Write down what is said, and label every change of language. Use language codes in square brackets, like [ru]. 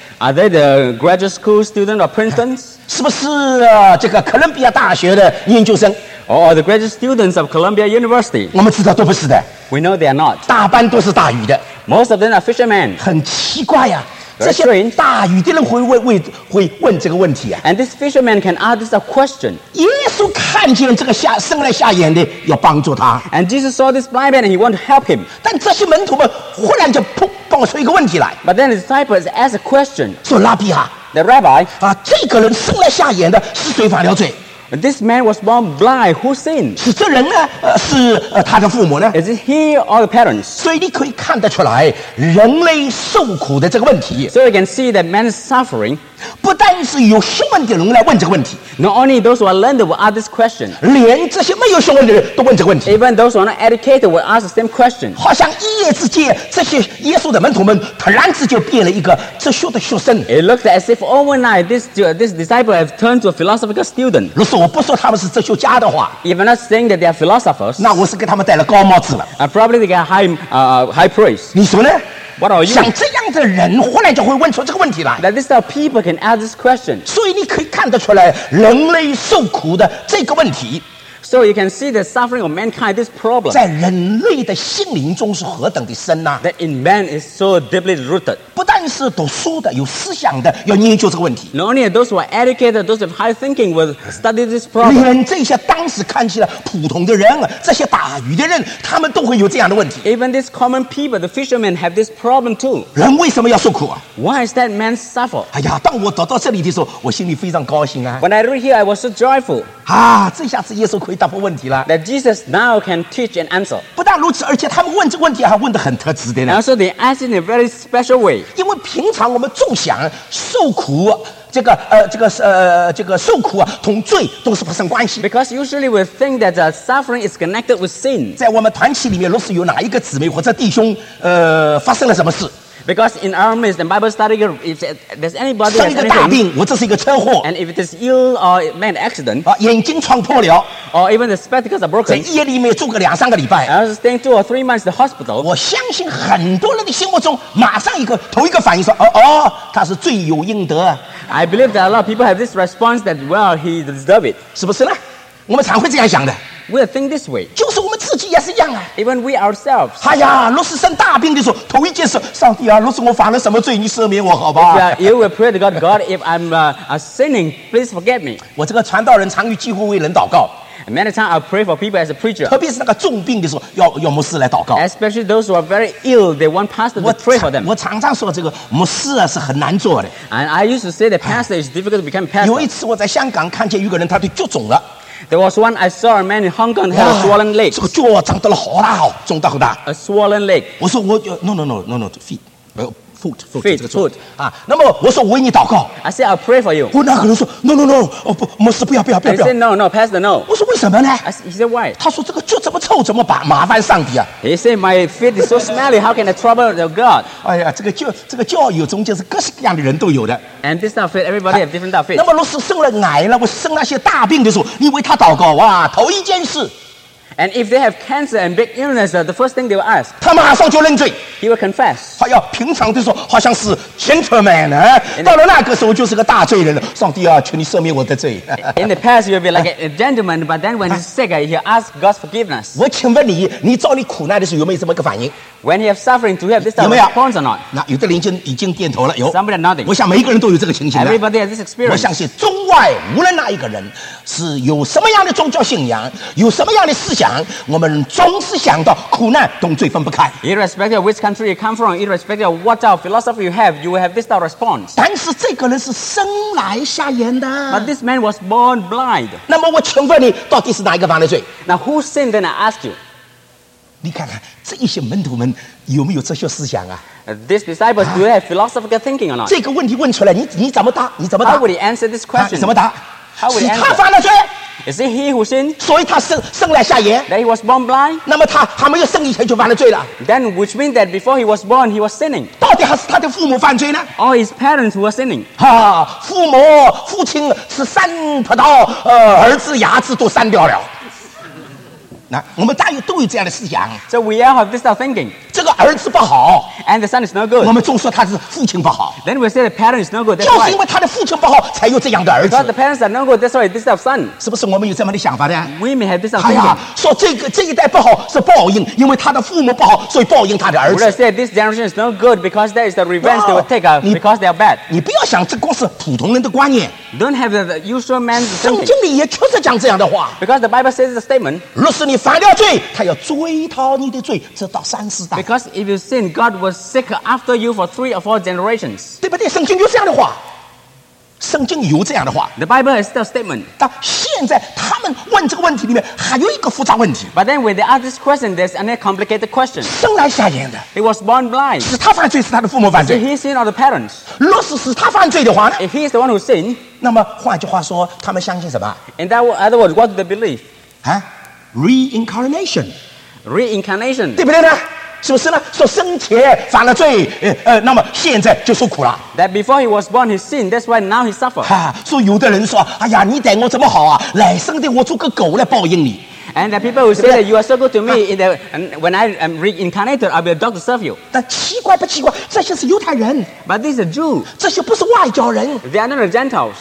[en] Are they the graduate school student of Princeton? [zh] 是不是这个哥伦比亚大学的研究生 [en] ？Or the graduate students of Columbia University? [zh] 我们知道都不是的。 [en] We know they are not. [zh] 大半都是打鱼的。 [en] Most of them are fishermen. [zh] 很奇怪呀、啊。这些大鱼的人会问这个问题啊。 [en] And this fisherman can ask this a question. [zh] 耶稣看见这个生来瞎眼的要帮助他。 [en] And Jesus saw this blind man and he wanted to help him. [zh] 但这些门徒们忽然就砰蹦出一个问题来。 [en] But then the disciples ask a question. [zh] 说拉比啊。 [en] The rabbi. [zh] 啊，这个人生来瞎眼的是谁犯了罪？ [en] This man was born blind. Who sinned? [zh] 是这人呢？是他的父母呢 [en] ？Is it he or the parents? [zh] 所以你可以看得出来，人类受苦的这个问题。 [en] So you can see that man is suffering. [zh] 不但是有学问的人来问这个问题 [en] ，Not only those who are learned will ask this question， [zh] 连这些没有学问的人都问这个问题 [en] ，Even those who are not educated will ask the same question。 [zh] 好像一夜之间，这些耶稣的门徒们突然之间变了一个哲学的学生。 [en] It looks as if overnight this disciple have turned to a philosophical student。 [zh] 如果我不说他们是哲学家的话 [en] ，If I'm not saying that they are philosophers， [zh] 那我是给他们戴了高帽子了。 [en] I probably get high praise。 [zh] 你说呢？ [en] What are you? [zh] 像这样的人忽然就会问出这个问题来 [en] That this type of people can ask this question [zh] 所以你可以看得出来人类受苦的这个问题 [en] So you can see the suffering of mankind this problem [zh] 在人类的心灵中是何等的深呐、啊、 [en] That in man is so deeply rooted [zh] 不但是读书的有思想的要研究这个问题 [en] Not only those who are educated those with high thinking will study this problem [zh] 连这些当时看起来普通的人这些打鱼的人他们都会有这样的问题 [en] Even these common people the fishermen have this problem too [zh] 人为什么要受苦啊 [en] Why is that man suffer [zh] 哎呀当我走到这里的时候我心里非常高兴啊 [en] When I read here I was so joyful [zh] 啊这下子耶稣可以答复问题了 [en] That Jesus now can teach and answer [zh] 不但如此而且他们问这问题还问得很特质的呢 [en] Also they ask in a very special way [zh] 因为平常我们总想受苦这个受苦啊，同罪都是不成关系。 [en] Because usually we think that the suffering is connected with sin. [zh] 在我们团体里面，若是有哪一个姊妹或者弟兄，发生了什么事 [en] ？Because in our midst, the Bible study group, if there's anybody [zh] 生一个大病，我这是一个车祸。 [en] And if it is ill or made accident, [zh] 啊，眼睛撞破了。 [en] Or even the spectacles are broken. [zh] 在医院里面住个两三个礼拜。 [en] I was staying 2 or 3 months in the hospital. [zh] 我相信很多人的心目中，马上一个头一个反应说，他是罪有应得。 [en] I believe that a lot of people have this response that, well, he deserves it. [zh] 是不是呢？我们常会这样想的。 [en] We think this way. [zh] 就是我们自己也是一样啊。 [en] Even we ourselves. [zh] 哎呀，若是生大病的时候，头一件事，上帝啊，若是我犯了什么罪，你赦免我好吧？ [en] You will pray to God, God, if I'm sinning, please forget me. [zh] 我这个传道人常与几乎为人祷告。 [en] Many times I pray for people as a preacher. [zh] 特别是那个重病的时候，要牧师来祷告。 [en] Especially those who are very ill, they want pastor to pray for them. [zh] 我常常说这个牧师啊是很难做的。 [en] And I used to say that pastor is difficult to become pastor. [zh] 有一次我在香港看见一个人，他就脚肿了。 [en] There was one I saw a man in Hong Kong had a swollen leg. [zh] 这个脚长得了好大好，肿得好大。 [en] A swollen leg. [zh] 我说我 [en] no feet. Foot. 啊， [zh] 那么我说我为你祷告。 [en] I say I pray for you. [zh] 我那个人说 No. 哦不，牧师不要。 [en] He said No. Pastor No. [zh] 我说为什么呢 [en] ？He said Why? [zh] 他说这个脚怎么臭，怎么麻烦上帝啊 [en] ？He said My feet is so smelly. How can I trouble the God? [zh] 哎呀，这个教友中间是各式各样的人都有的。 [en] And this type of faith, everybody have different type of faith. [zh] 那么若是生了癌了，我生那些大病的时候，你为他祷告哇，头一件事。 [en] And if they have cancer and big illness, the first thing they will ask, [zh] 他马上就认罪。 [en] He will confess. [zh] 哎呀，平常的时候好像是 gentleman 啊，到了那个时候就是个大罪人了。上帝啊，求你赦免我的罪。 [en] In the past, you will be like a gentleman, but then when he's sick, he asks God's forgiveness. [zh] 我请问你，你遭你苦难的时候有没有这么个反应？ [en] When he has suffering, do you have this type of response or not? [zh] 那有的人已经点头了，有。 [en] Somebody nodding. [zh] 我想每一个人都有这个情形。 [en] Everybody has this experience. [zh] 我相信中外无论哪一个人是有什么样的宗教信仰，有什么样的思想。我们总是想到苦难同罪分不开 [en] Irrespective of which country you come from Irrespective of what type of philosophy you have You will have this type of response [zh] 但是这个人是生来瞎眼的 [en] But this man was born blind [zh] 那么我请问你到底是哪一个犯的罪 [en] Now who sinned then I ask you [zh] 你看看这一些门徒们有没有哲学思想啊 [en] These disciples do have philosophical thinking or not [zh] 这个问题问出来你怎么答你怎么答 [en] How would he answer this question [zh] 怎么答是他犯的罪 [en] Is it he who sinned? [zh] 所以他生来瞎眼 [en] That he was born blind? [zh] 那么他还没有生以前就犯了罪了 [en] Then which means that before he was born he was sinning [zh] 到底还是他的父母犯罪呢 [en] Or his parents were sinning [zh] 啊，父亲吃山葡萄儿子牙齿都散掉了那我们大约都有这样的思想 [en] So we all have this type of thinking [zh] 这个儿子不好 [en] And the son is no good [zh] 我们总说他是父亲不好 [en] Then we say the parent is no good [zh] 就是因为他的父亲不好才有这样的儿子 [en] But the parents are no good That's why this type of son [zh] 是不是我们有这么的想法呢 [en] We may have this type of thinking [zh] 说这一代不好是报应因为他的父母不好所以报应他的儿子 [en] We say this generation is no good Because that is the revenge they will take Because they are bad [zh] 你不要想这光是普通人的观念 [en] Don't have the usual man's thinking [zh] 圣经里也确实讲这样的话 [en] Because the Bible says the statement [zh] 若是你犯了罪，他要追讨你的罪，直到三世代。 [en] Because if you sin, God will seek after you for 3 or 4 generations. [zh] 对不对？圣经就这样的话。圣经有这样的话。 [en] The Bible has the statement. [zh] 但现在他们问这个问题里面还有一个复杂问题。 [en] But then when they ask this question, there's another complicated question. [zh] 生来瞎眼的。 [en] He was born blind. [zh] 是他犯罪，是他的父母犯罪。 [en] Is he sin or the parents? [zh] 若是是他犯罪的话呢 [en] ？If he is the one who sinned. [zh] 那么换句话说，他们相信什么 [en] ？In that other words, what do they believe? 啊 ，reincarnation. Reincarnation. [zh] 对不对呢？是不是呢？说生前犯了罪，那么现在就受苦了。 [en] That before he was born, he sinned. That's why now he suffers. [zh] 哈，说有的人说，哎呀，你待我怎么好啊？来生的我做个狗来报应你。 [en] And the people who say that you are so good to me, in the, when I am reincarnated, I'll be a dog to serve you. [zh] 但奇怪不奇怪？这些是犹太人。 [en] But this is a Jew. [zh] 这些不是外教人。 [en] They are not the Gentiles.